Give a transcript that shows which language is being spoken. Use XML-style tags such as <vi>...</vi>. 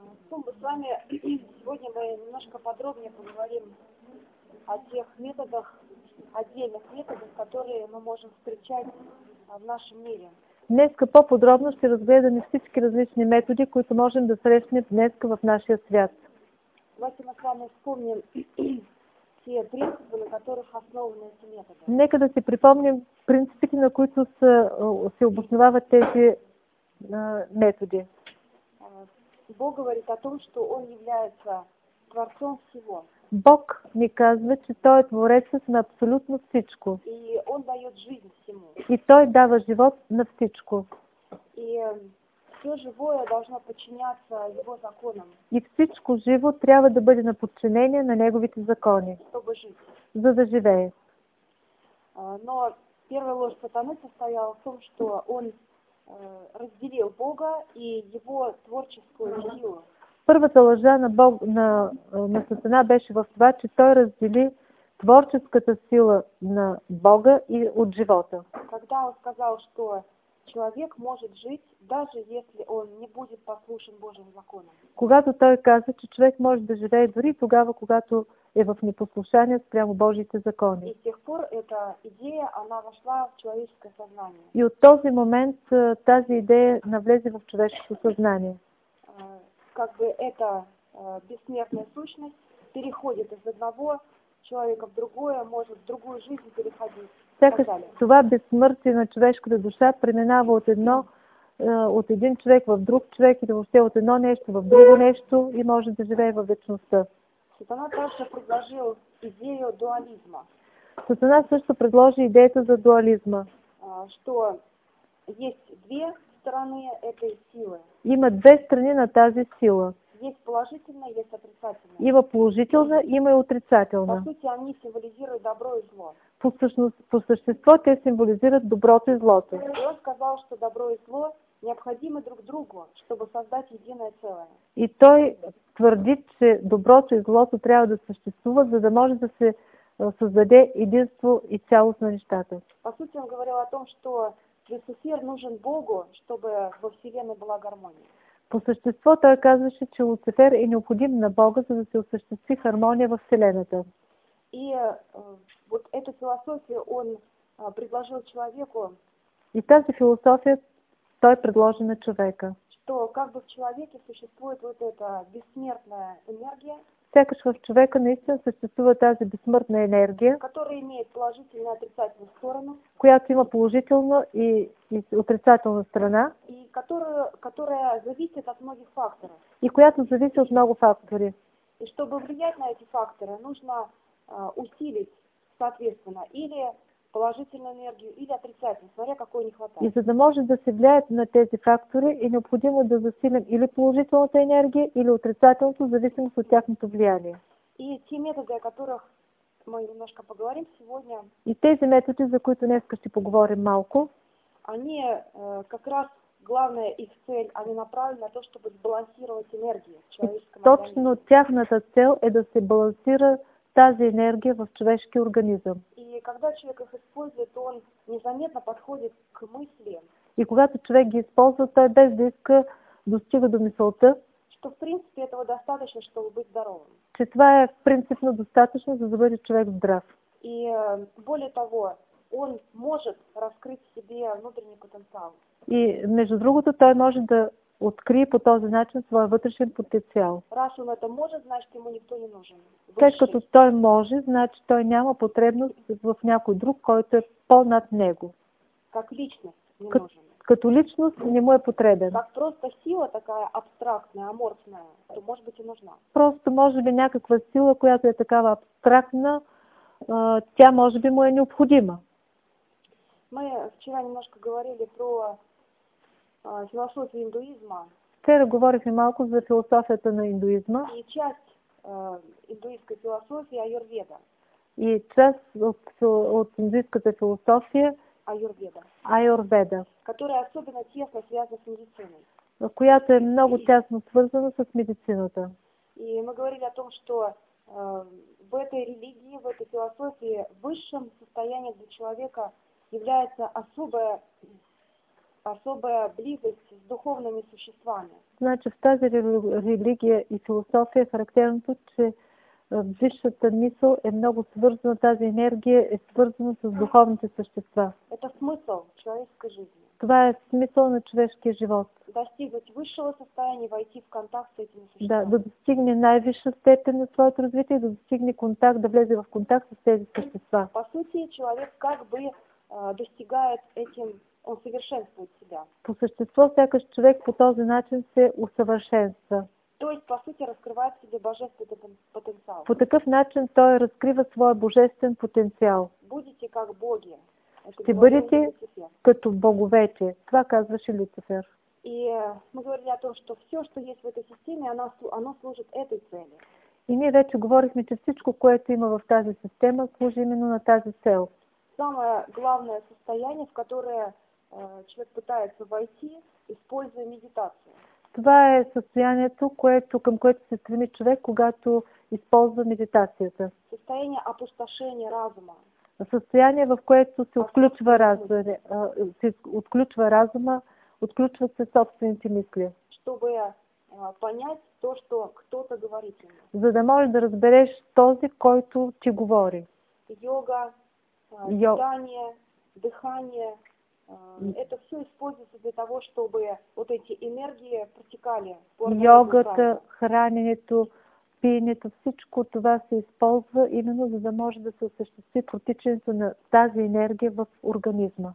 <ru>Мы с вами сегодня мы немножко подробнее поговорим о тех методах, отдельных методах, которые мы можем встречать в нашем мире.</ru> <bg>Днеска по-подробно ще разгледаме всички различни методи, които можем да срещнем днеска в нашия свят.</bg> <ru>Давайте мы с вами вспомним те принципы, на которых основаны эти методы.</ru> <bg>Нека да си припомним принципите, на които се обосновават тези методи.</bg> <ru>Бог говорит о том, что Он является Творцом всего.</ru> <bg>Бог ни казва, че Той е Творецът на абсолютно всичко.</bg> <ru>И Он дает жизнь всему.</ru> <bg>И Той дава живот на всичко.</bg> <ru>И все живое должно подчиняться Его законам.</ru> <bg>И всичко живо трябва да бъде на подчинение на Неговите закони.</bg> <ru>Чтобы жить.</ru> <bg>За да живее.</bg> <ru>Но первая ложь сатаны состояла в том, что Он разделил Бога и Его творческую силу.</ru> <bg>Първата лъжа на Бог, на Сатана беше в това, че той раздели творческата сила на Бога и от живота.</bg> <ru>Когда он сказал, что человек может жить, даже если он не будет послушен Божьим законам.</ru> <bg>Когато той каза, че човек може да живее дори тогава, когато е в непослушание спрямо Божиите закони.</bg> <ru>И с тех пор эта идея, она вошла в человеческое сознание.</ru> <bg>И от този момент тази идея навлезе в човешкото съзнание.</bg> <ru>Как бы эта бессмертная сущность переходит из одного человека в другое, может в другую жизнь переходить.</ru> <bg>Всяка това безсмъртие на човешката душа преминава от едно, от един човек в друг човек и въобще от едно нещо в друго нещо и може да живее във вечността. Сатана също предложи идею дуализма. Сатана също предложи идеята за дуализма.</bg> <ru>Что есть две стороны этой силы.</ru> <bg>Има две страни на тази сила.</bg> <ru>Есть положительная, есть отрицательная.</ru> <bg>Има положителна, има и отрицателна.</bg> <ru>По сути, они символизируют добро и зло.</ru> <bg>По същество те символизират доброто и злото.</bg> <ru>И он сказал, что добро и зло необходимы друг другу, чтобы создать единое целое.</ru> <bg>И той твърди, че доброто и злото трябва да съществуват, за да може да се създаде единство и цялост на нещата.</bg> <ru>По сути, он говорил о том, что Люцифер нужен Богу, чтобы во Вселенной была гармония. По существу,</ru> <bg>той казваше, че Луцифер е необходим на Бога, за да се осъществи хармония в Вселената.</bg> <ru>И вот эту философию он предложил человеку.</ru> <bg>И тази философия той предложи на човека.</bg> <ru>Что как бы в человеке существует вот эта бессмертная энергия.</ru> <bg>Сякаш в човека наистина съществува тази безсмъртна енергия, която има положителна и отрицателна страна, която има положителна и отрицателна страна, и която зависи от много фактори. И която зависи от много фактори.</bg> <ru>И чтобы влиять на эти факторы, нужно усилить, соответственно, или положительную энергию, или отрицательную, смотря какой не хватает.</ru> <bg>И за да може да се влияят на тези фактори, е необходимо да засилим или положителната енергия, или отрицателното, в зависимост от тяхното влияние.</bg> <ru>И те методы, о которых мы немножко поговорим сегодня,</ru> <bg>и тези методи, за които днеска ще поговорим малко,</bg> <ru>они как раз главная их цель, они направлены на то, чтобы сбалансировать энергию в человеческом организме.</ru> <bg>Точно тяхната цел е да се балансира тази енергия в човешкия организъм.</bg> <ru>И когда человек их использует, он незаметно подходит к мысли.</ru> <bg>И когато човек ги използва, той без да иска достига до мисълта,</bg> <ru>что в принципе этого достаточно, чтобы быть здоровым.</ru> <bg>Че това е в принципно достатъчно, за да бъде човек здрав.</bg> <ru>И более того, он может раскрыть себе внутренний потенциал.</ru> <bg>И между другото, той може да открие по този начин своя вътрешен потенциал.</bg> <ru>Раз он это может, значит ему никто не нужен.</ru> <bg>След като той може, значи той няма потребност в някой друг, който е по-над него.</bg> <ru>Как личност не нужен.</ru> <bg>Като личност не му е потребен.</bg> <ru>Как просто сила такая абстрактная, аморфная, то может быть и нужна.</ru> <bg>Просто може би някаква сила, която е такава абстрактна, тя може би му е необходима.</bg> <ru>Мы вчера немножко говорили про философия индуизма.</ru> <bg>Вчера говорихме малко за философията на индуизма.</bg> <ru>И часть индуистской философии аюрведа.</ru> <bg>И част от индуистската философия аюрведа.</bg> <ru>Которая особенно тесно связана с медициной.</ru> <bg>Която е много тясно свързана с медицината.</bg> <ru>И мы говорили о том, что в этой религии, в этой философии высшим состоянием для человека является особое особая близость с духовными существами.</ru> <bg>Значит, в тази религия и философия характерното, че висшата мисъл е много свързана, тази енергия е свързана с духовните същества.</bg> <ru>Это смысл человеческой жизни.</ru> <bg>Това е смисъл на човешкия живот.</bg> <ru>Достигнуть высшего состояния, войти в контакт с этими существами.</ru> <bg>Да, да достигне най-висша степен на своето развитие, да достигне контакт, да влезе в контакт с тези същества.</bg> <ru>По сути, человек как бы достигает этим, он совершенствует себя.</ru> <bg>По същество, всякаш човек по този начин се усъвършенства.</bg> <ru>То есть, по сути, раскрывает себе божественный потенциал.</ru> <bg>По такъв начин той разкрива своя божествен потенциал.</bg> <ru>Будете как боги.</ru> <bg>Ще бъдете като боговете. Това казваше Люцифер.</bg> <ru>И мы говорили о том, что все, что есть в этой системе, оно служит этой цели.</ru> <bg>И ние вече говорихме, че всичко, което има в тази система, служи именно на тази цел.</bg> <ru>Самое главное состояние, в которое человек пытается войти, используя медитацию.</ru> <bg>Това е състоянието, което, към което се стреми човек, когато използва медитацията.</bg> <ru>Състояние опустошения разума.</ru> <bg>Състояние, в което се отключва разум, се отключва разума, отключва се собствените мисли.</bg> <ru>Чтобы понять то, что кто-то говорит.</ru> <bg>За да можеш да разбереш този, който ти говори.</bg> <ru>Йога, питание, дыхание. Это все используется для того, чтобы вот эти энергии протекали.</ru> <bg>Йогата, храненето, пиенето, всичко това се използва именно за да може да се осъществи протичането на тази енергия в организма.</bg>